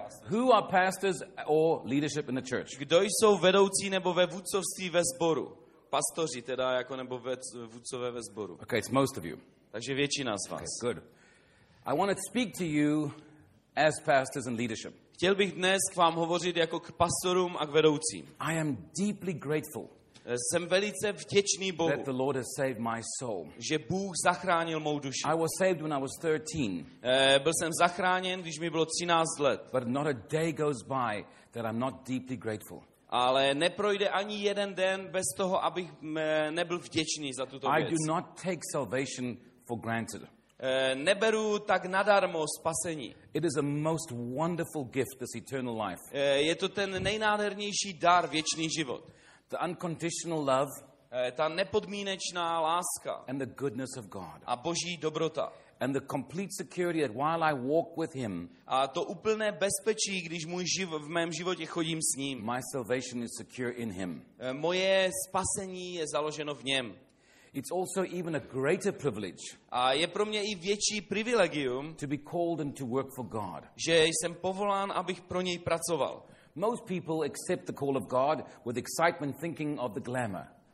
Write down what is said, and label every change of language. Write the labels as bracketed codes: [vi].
[en] Who are pastors or leadership in the church? [cs] Kdo jsou vedoucí nebo ve vůdcovství ve sboru? Pastoři teda jako nebo vůdcové ve sboru. [en] Okay, it's most of you. [cs] Takže většina z vás. [en] Okay, good. I want to speak to you as pastors and leadership. [cs] Chtěl bych dnes k vám hovořit jako k pastorům a k vedoucím. [en] I am deeply grateful. [cs] Jsem velice vděčný Bohu, [en] that the Lord has saved my soul. [cs] Že Bůh zachránil mou duši. [en] I was saved when I was 13. [cs] Byl jsem zachráněn, když mi bylo 13 let. [en] But not a day goes by that I'm not deeply grateful. [cs] Ale neprojde ani jeden den bez toho, abych nebyl vděčný za tuto věc. [en] I do not take salvation for granted. [cs] Neberu tak nadarmo spasení. [en] It is a most wonderful gift, this eternal life. [cs] Je to ten nejnádhernější dar, věčný život. [en] The unconditional love, [cs] ta nepodmínečná láska, [en] and the goodness of God, [cs] a Boží dobrota, [en] and the complete security that while I walk with Him, [cs] a to úplné bezpečí, když můj v mém životě chodím s ním, [en] my salvation is secure in Him. [cs] Moje spasení je založeno v něm. [en] It's also even a greater privilege. [cs] A je pro mě i větší privilegium, [en] to be called and to work for God. [cs] Že jsem povolán, abych pro něj pracoval. [en] Most people accept the call of God with excitement, thinking of the glamour.